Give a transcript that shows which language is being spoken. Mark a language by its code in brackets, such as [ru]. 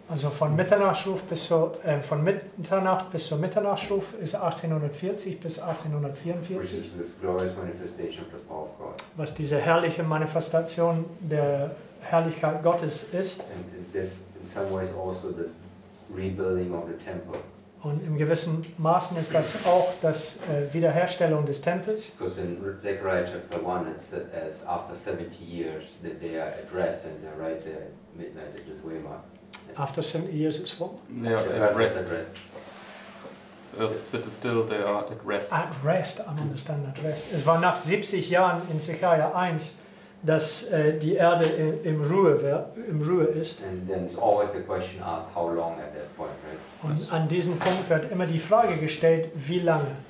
[de] Also von Mitternachtsruf bis zur von Mitternacht bis zur Mitternachtsruf ist 1840 bis 1844. [en] Which is this glorious manifestation of the power of God. [de] Was diese herrliche Manifestation der Herrlichkeit Gottes ist. [en] And that's in some ways also the rebuilding of the temple. [de] Und im gewissen Maßen ist das auch das Wiederherstellung des Tempels. [en] Because in Zechariah chapter 1, it says after 70 years that they are at rest and they write the midnight at the waymark. After 70 years, it's what? They are at rest. The earth sits still, they are at rest. At rest, I understand at rest. [de] Es war nach 70 Jahren in Zechariah 1, dass die Erde im Ruhe ist. [en] And then it's always the question asked, how long at that point, right? [de] Und an diesem Punkt wird immer die Frage gestellt, wie lange?